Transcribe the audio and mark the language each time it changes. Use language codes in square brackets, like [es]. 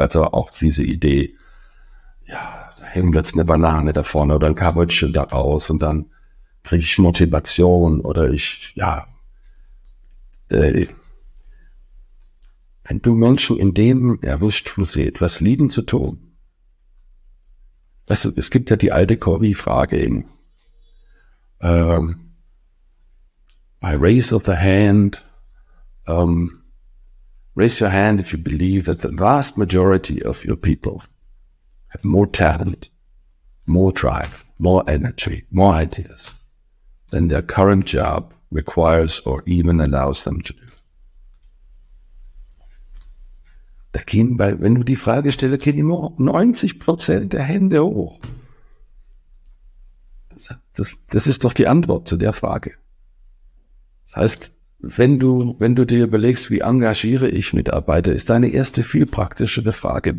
[de] Also auch diese Idee, ja, da hängt plötzlich eine Banane da vorne oder ein Kabutschel da raus und dann kriege ich Motivation oder wenn du Menschen in dem erwischt, wo sie etwas lieben zu tun. Weißt du, es gibt ja die alte Corrie-Frage eben. [en] By raise of the hand, raise your hand if you believe that the vast majority of your people have more talent, more drive, more energy, more ideas than their current job requires or even allows them to do. [de] Da gehen bei, wenn du die Frage stellst, gehen immer 90% der Hände hoch. Das ist doch die Antwort zu der Frage. Das heißt, wenn du dir überlegst, wie engagiere ich Mitarbeiter, ist deine erste viel praktischere Frage.